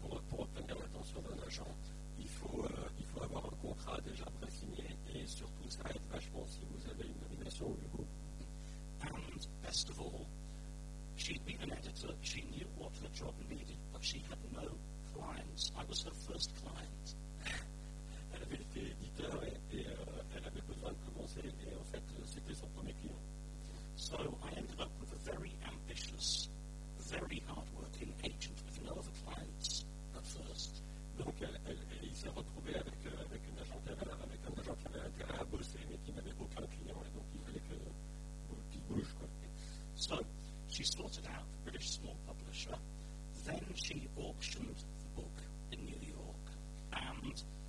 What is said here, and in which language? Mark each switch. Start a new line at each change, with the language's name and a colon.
French: Pour obtenir l'attention d'un agent, il faut avoir un contrat déjà pré-signé, et surtout ça aide vachement si vous avez une nomination au Hugo.
English: And best of all, she'd been an editor, she knew what her job needed, but she had no clients. I was her first client.
French: Elle avait été éditeur et elle avait besoin de commencer, et en fait c'était son premier client.
English: So I ended up with a very ambitious, very hard-working agent with no other clients at first.
French: Donc il s'est retrouvé avec un agent qui avait intérêt à bosser mais qui n'avait aucun client, et donc il fallait qu'il bouge, quoi.
English: So she sorted out a British small publisher, then she auctioned the book in New York, and